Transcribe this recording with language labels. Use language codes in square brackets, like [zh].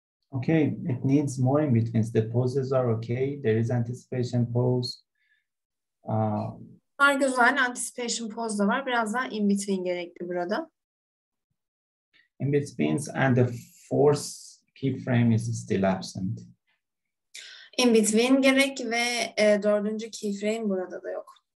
[en] Okay, it needs more in between. The poses are okay. There is anticipation pose. [tr] Var güzel anticipation pose da var. Biraz daha in between gerekli burada. [en] In between and the fourth keyframe is still absent. [tr] In between gerek ve dördüncü keyframe burada da yok.